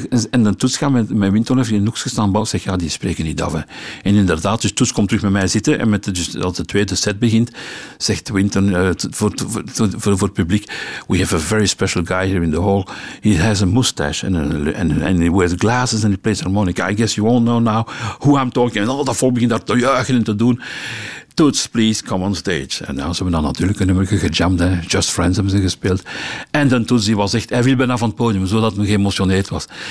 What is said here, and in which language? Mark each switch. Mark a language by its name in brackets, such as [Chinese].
[Dutch] En de Toets gaat met Wynton even in een hoekje staan. Ik zeg, ja, die spreken niet af. Hè. En inderdaad, dus Toets komt terug met mij zitten. En als de tweede set begint, zegt Wynton voor het publiek, we have a very special guy here in the hall. [English] He has a mustache and he wears glasses and he plays harmonica. [Dutch] I guess you all know now who I'm talking. En al dat volk begint daar te juichen en te doen. [English] Toets, please, come on stage. [Dutch] En nou, ze hebben dan natuurlijk een nummer gejamd. Hè. Just Friends hebben ze gespeeld. En dan Toets, die was echt, hij viel bijna van het podium, zodat hij geëmotioneerd was.